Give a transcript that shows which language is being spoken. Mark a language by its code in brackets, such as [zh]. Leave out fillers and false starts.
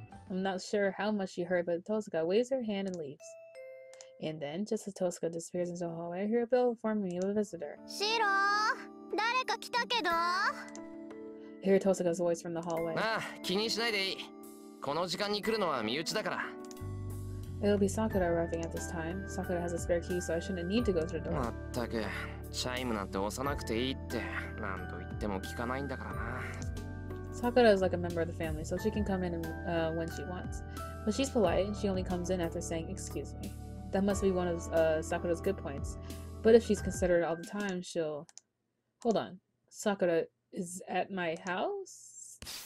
[en] I'm not sure how much she heard, but Tosaka waves her hand and leaves. And then, just as Tosaka disappears into the hallway, I hear a bell informing me of a visitor. [ja] Shiro! 誰か来たけど? [en] I hear Tosaka's voice from the hallway. [ja] ああ、気にしないでいい。この時間に来るのは身内だから。 [en] It'll be Sakura arriving at this time. Sakura has a spare key, so I shouldn't need to go through the door. [ja] まったく、チャイムなんて押さなくていいって、何度言っても聞かないんだからな。 [en] Sakura is like a member of the family, so she can come in when she wants. But she's polite, and she only comes in after saying, excuse me. That must be one of Sakura's good points. But if she's considerate all the time, she'll... Hold on. Sakura is at my house?